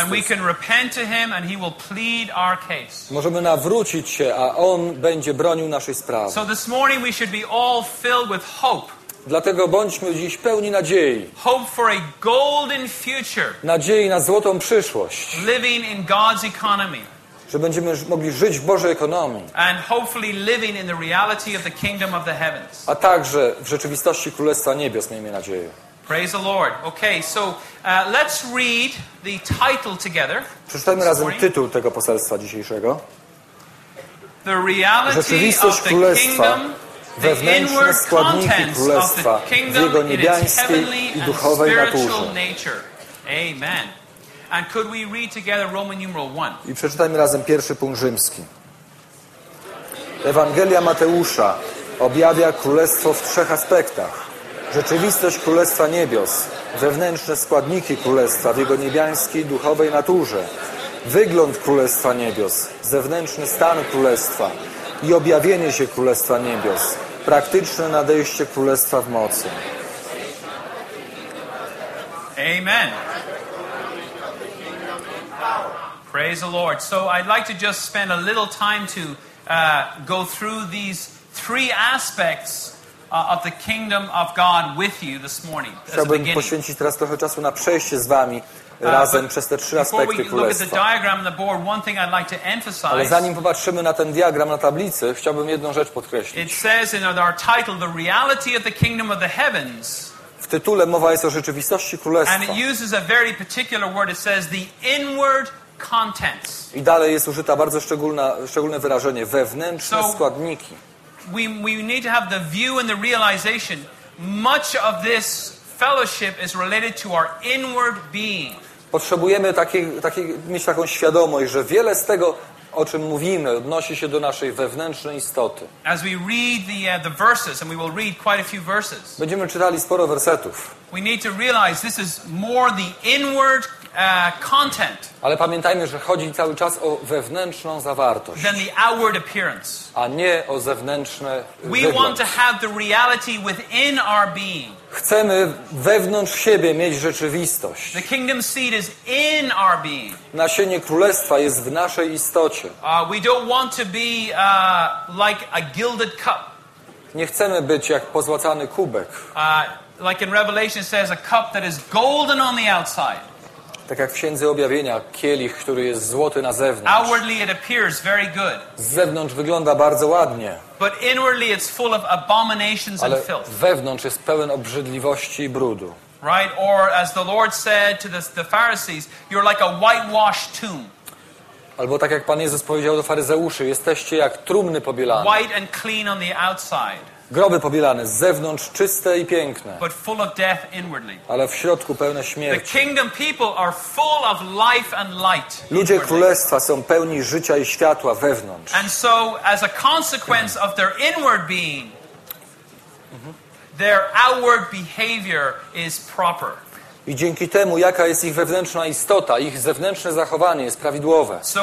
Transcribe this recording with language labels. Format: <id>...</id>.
<en>And we can repent to Him and He will plead our case.</en> <pl>Możemy nawrócić się, a On będzie bronił naszej sprawy.</pl> <en>So this morning we should be all filled with hope.</en> <pl>Dlatego bądźmy dziś pełni nadziei.</pl> <en>Hope for a golden future.</en> <pl>Nadziei na złotą przyszłość.</pl> <en>Living in God's economy.</en> <pl>Że będziemy mogli żyć w Bożej ekonomii.</pl> <en>And hopefully living in the reality of the kingdom of the heavens.</en> <pl>A także w rzeczywistości Królestwa Niebios, miejmy nadzieję.</pl> <en>Praise the Lord. Okay, so let's read the title together.</en> <pl>Przeczytajmy razem tytuł tego poselstwa dzisiejszego.</pl> <en>The reality</en> <pl>rzeczywistość</pl> <en>of</en> <pl>Królestwa,</pl> <en>the kingdom,</en> <pl>wewnętrzne</pl> <en>the inward</en> <pl>składniki Królestwa</pl> <en>of the kingdom,</en> <pl>w Jego niebiańskiej i duchowej naturze.</pl> <en>Amen. And could we read together Roman numeral 1?</en> <pl>I przeczytajmy razem pierwszy punkt rzymski. Ewangelia Mateusza objawia królestwo w trzech aspektach. Rzeczywistość królestwa niebios, wewnętrzne składniki królestwa w jego niebiańskiej duchowej naturze, wygląd królestwa niebios, zewnętrzny stan królestwa i objawienie się królestwa niebios, praktyczne nadejście królestwa w mocy.</pl> <en>Amen. Praise the Lord. So I'd like to just spend a little time to go through these three aspects of the kingdom of God with you this morning.</en> <pl>Chciałbym poświęcić teraz trochę czasu na przejście z wami razem przez te trzy aspekty królestwa. Ale zanim popatrzymy na ten diagram na tablicy, chciałbym jedną rzecz podkreślić.</pl> <en>It says in our title, the reality of the kingdom of the heavens.</en> <pl>W tytule mowa jest o rzeczywistości królestwa.</pl> <en>And it uses a very particular word. It says the inward contents.</en> <pl>I dalej jest użyta bardzo szczególne wyrażenie wewnętrzne składniki.</pl> <en>We need to have the view and the realization. Much of this fellowship is related to our inward being.</en> <pl>Potrzebujemy mieć taką świadomość, że wiele z tego, o czym mówimy, odnosi się do naszej wewnętrznej istoty.</pl> <en>As we read the verses, and we will read quite a few verses.</en> <pl>Będziemy czytali sporo wersetów.</pl> <en>We need to realize this is more the inward content.</en> <pl>Ale pamiętajmy, że chodzi cały czas o wewnętrzną zawartość.</pl> <en>Than the outward appearance.</en> <pl>A nie o zewnętrzne</pl> <en>we</en> <pl>wygląd.</pl> <en>Want to have the reality within our being.</en> <pl>Chcemy wewnątrz siebie mieć rzeczywistość.</pl> <en>The kingdom seed is in our being.</en> <pl>Nasienie królestwa jest w naszej istocie.</pl> <en>We don't want to be like a gilded cup.</en> <pl>Nie chcemy być jak pozłacany kubek.</pl> <en>Like in Revelation says, a cup that is golden on the outside.</en> <pl>Tak jak w Księdze Objawienia, kielich, który jest złoty na zewnątrz.</pl> <en>Outwardly it appears very good.</en> <pl>Z zewnątrz wygląda bardzo ładnie.</pl> <en>But inwardly it's full of abominations</en> <pl>ale</pl> <en>and filth.</en> <pl>Wewnątrz jest pełen obrzydliwości i brudu.</pl> <en>Right? Or as the Lord said to the Pharisees, you're like a whitewashed tomb.</en> <pl>Albo tak jak Pan Jezus powiedział do faryzeuszy, jesteście jak trumny pobielane.</pl> <en>White and clean on the outside.</en> <pl>Groby pobielane, z zewnątrz czyste i piękne.</pl> <en>But full of death inwardly.</en> <pl>Ale w środku pełne śmierci.</pl> <en>The kingdom people are full of life and light.</en> <pl>Ludzie królestwa są pełni życia i światła wewnątrz.</pl> <en>And so as a consequence of their inward being, their outward behavior is proper.</en> <pl>I dzięki temu, jaka jest ich wewnętrzna istota, ich zewnętrzne zachowanie jest prawidłowe.</pl>